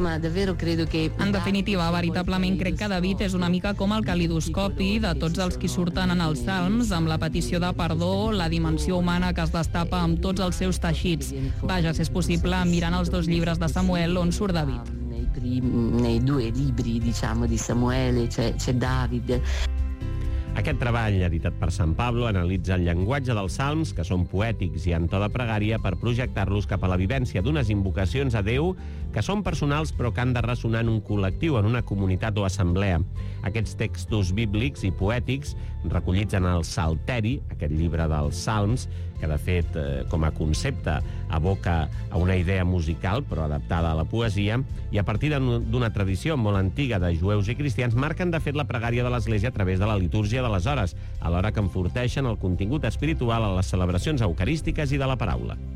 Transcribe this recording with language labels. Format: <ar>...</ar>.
<ca>En definitiva, veritablement crec que David és una mica com el calidoscopi de tots els qui surten en els salms, amb la petició de perdó, la dimensió humana que es destapa amb tots els seus teixits. Vaja, si és possible, mirant els dos llibres de Samuel, on surt David.</ca> <it>Nei due libri, diciamo, di Samuele, c'è David.</it> <ca>Aquest treball, editat per Sant Pablo, analitza el llenguatge dels salms, que són poètics i en to de pregària, per projectar-los cap a la vivència d'unes invocacions a Déu que són personals però que han de ressonar en un col·lectiu, en una comunitat o assemblea. Aquests textos bíblics i poètics, recollits en el Salteri, aquest llibre dels salms, que de fet, com a concepte, aboca a una idea musical, però adaptada a la poesia, i a partir d'una tradició molt antiga de jueus i cristians, marquen de fet la pregària de l'Església a través de la litúrgia de les hores, alhora que enforteixen el contingut espiritual a les celebracions eucarístiques i de la paraula.</ca>